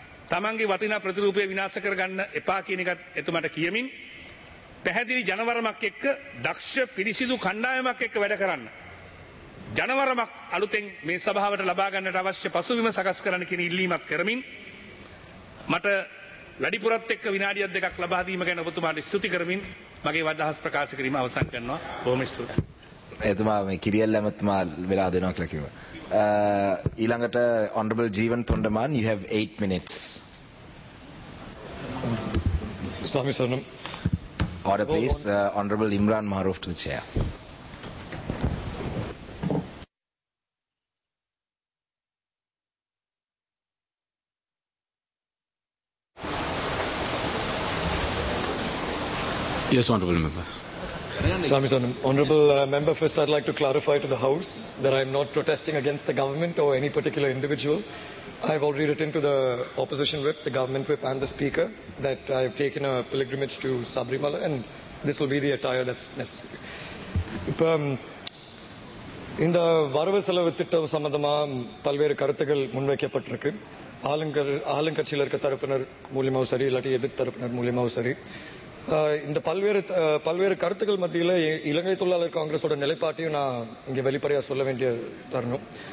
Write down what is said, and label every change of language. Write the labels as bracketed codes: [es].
[si] තමන්ගේ වටිනා ප්‍රතිරූපය විනාශ කරගන්න එපා කියන එකත් එතුමාට කියමින් පැහැදිලි ජනවරමක් එක්ක දක්ෂ පිරිසිදු කණ්ඩායමක් එක්ක වැඩ කරන්න ජනවරමක් අලුතෙන් මේ සභාවට ලබා ගන්නට අවශ්‍ය පසුබිම සකස් කරන්න කියන ඉල්ලීමක් කරමින් මට වැඩිපුරත් එක්ක විනාඩියක් දෙකක් ලබා දීම ගැන ඔබතුමාට ස්තුති කරමින් මගේ වදහස් ප්‍රකාශ කිරීම අවසන් කරනවා. බොහොම ස්තුතියි. එතුමා මේ කිරියල් ඇමතුමා වෙලා දෙනවා කියලා කිව්වා. ඊළඟට [en] honorable Jeevan Thondaman you have 8 minutes. [ta] ස්වාමි සරණම්. [en] Order please honorable Imran Maruf to the chair. Yes, honorable member. Swami Sonam, honorable member, first I'd like to clarify to the house that I'm not protesting against the government or any particular individual. I've already written to the opposition whip, the government whip and the speaker that I've taken a pilgrimage to Sabarimala and this will be the attire that's necessary. [ta] இந்த வரவு செலவு திட்டம் சம்பந்தமா பல்வேறு கருத்துக்கள் முன்வைக்கப்பட்டிருக்கு. ஆளுங்கட்சியில் இருக்க தரப்பினர் மூலியமாவும் சரி இல்லாட்டி எதிர்த்து தரப்பினர் மூலியமாவும் சரி இந்த பல்வேறு கருத்துக்கள் மத்தியில் இலங்கை தொழிலாளர் காங்கிரஸோட நிலைப்பாட்டையும் நான் இங்கே வெளிப்படையாக சொல்ல வேண்டிய தருணம்.